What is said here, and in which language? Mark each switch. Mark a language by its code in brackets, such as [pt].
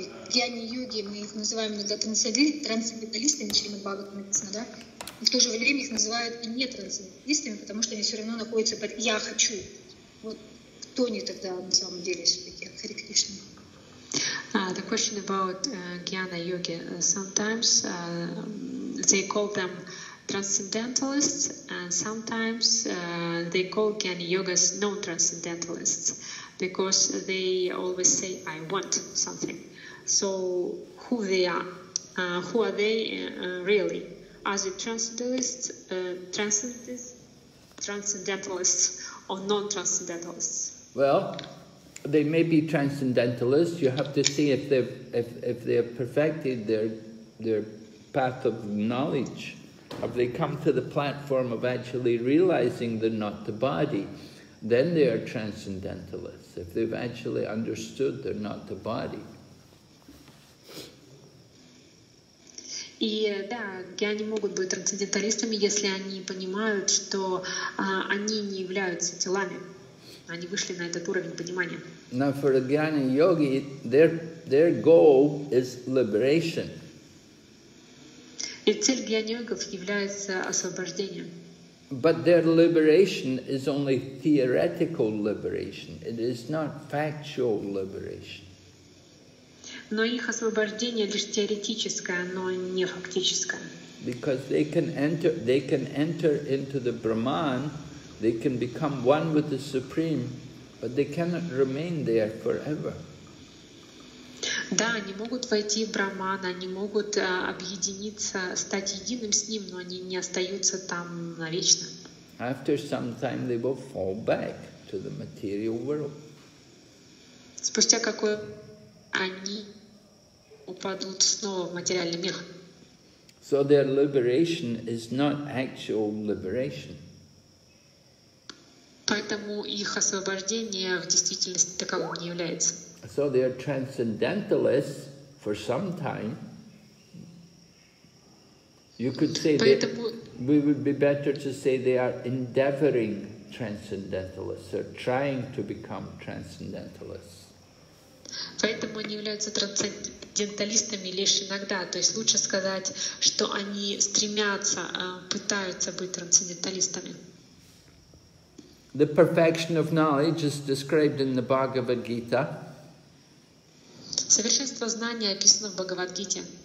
[ru] Гьяни и йоги, мы их называем иногда трансцендентальными шримад-бхагаватами, да? И в то же время их называют и нетрансцендентальными, потому что они все равно находятся под «я хочу». Вот кто они тогда на самом деле все-таки? Харе Кришна. [en] The question about Jnana Yogi. Sometimes they call them transcendentalists, and sometimes they call Jnana Yogas non-transcendentalists, because they always say, I want something. So who they are? Who are they really? Are they transcendentalists or non-transcendentalists? Well, they may be transcendentalists. You have to see if they have perfected their path of knowledge. Have they come to the platform of actually realizing they're not the body? Then they are transcendentalists, if they've actually understood they're not the body. [ru] И да, они могут быть трансценденталистами, если они понимают, что они не являются телами. Они вышли на этот уровень понимания. [en] Now for a jnana yogi, their goal is liberation. [ru] И цель jnana yogis является освобождение. [en] But their liberation is only theoretical liberation. It is not factual liberation. [ru] Но их освобождение лишь теоретическое, но не фактическое. [en] Because they can enter into the Brahman. They can become one with the Supreme, but they cannot remain there forever. [ru] Да, они могут войти в Брахмана, они могут объединиться, стать единым с ним, но они не остаются там навечно. [en] After some time, they will fall back to the material world. [ru] Спустя какое они упадут снова в материальный мир. [en] So their liberation is not actual liberation. [ru] Поэтому их освобождение в действительности таковым не является. [en] So they are transcendentalists for some time. You could say we would be better to say they are endeavoring transcendentalists, or trying to become transcendentalists. [ru] Поэтому они являются трансценденталистами лишь иногда. То есть лучше сказать, что они стремятся, пытаются быть трансценденталистами. [en] The perfection of knowledge is described in the Bhagavad Gita. [ru] Совершенство знания описано в Бхагавад-гите.